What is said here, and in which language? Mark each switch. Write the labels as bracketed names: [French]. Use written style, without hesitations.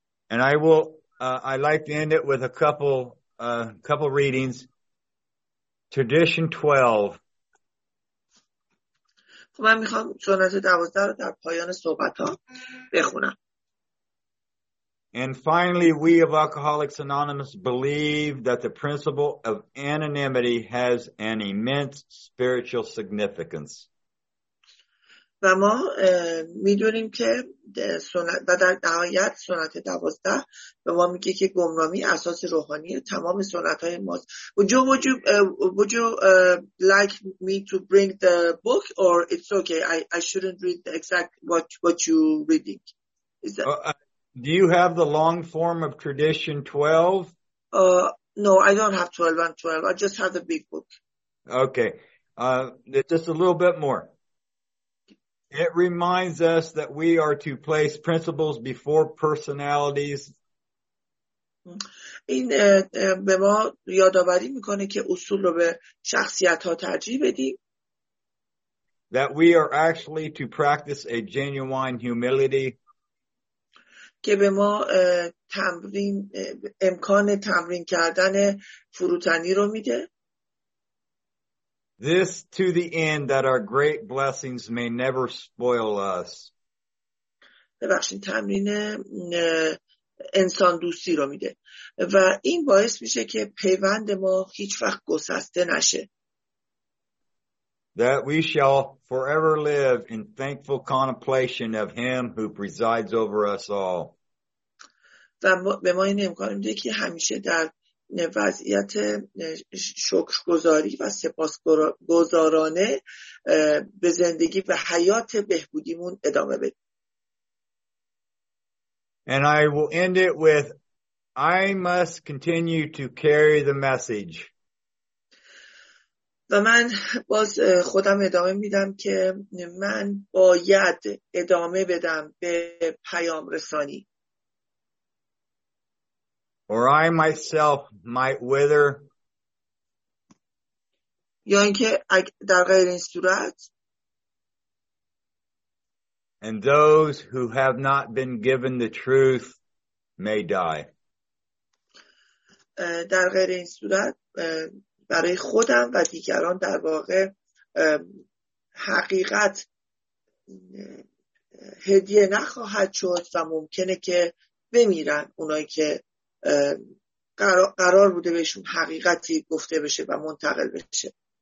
[English] And I will I'd like to end it with a couple readings. Tradition 12. [Persian] من میخوام سنت 12 رو در پایان صحبت ها بخونم. [English] And finally, we of Alcoholics Anonymous believe that the principle of anonymity has an immense spiritual significance. [Persian] و ما میدونیم که سنت و در نهایت سنت 12 به ما میگه که گمنامی اساس روحانی تمام سنت های ماست. [English] Would you like me to bring the book or it's okay? I shouldn't read the exact what you reading. Is that... do you have the long form of tradition 12? No, I don't have 12 and 12. I just have the big book. Okay. Just a little bit more. It reminds us that we are to place principles before personalities. [Persian] این به ما یادآوری میکنه که اصول رو به شخصیت ها ترجیح بدیم. [English] That we are actually to practice a genuine humility. [Persian] که به ما تمرین امکان تمرین کردن فروتنی رو میده. [English] This to the end that our great blessings may never spoil us. [Persian] ببخشید تمرین انسان دوستی رو میده و این باعث میشه که پیوند ما هیچ وقت گسسته نشه. [English] That we shall forever live in thankful contemplation of him who presides over us all. [Persian] و به ما این امکان میده که همیشه در وضعیت شکرگزاری و سپاسگزارانه به زندگی و حیات بهبودیمون ادامه بدیم. [English] And I will end it with I must continue to carry the message. [Persian] و من باز خودم ادامه میدم که من باید ادامه بدم به پیام رسانی. [English] Or I myself might wither. [Persian] یا اینکه در غیر این صورت [English] And those who have not been given the truth may die. [Persian] در غیر این صورت برای خودم و دیگران در واقع حقیقت هدیه نخواهد شد و ممکنه که بمیرن اونایی که قرار بوده بهشون حقیقتی گفته بشه و منتقل بشه.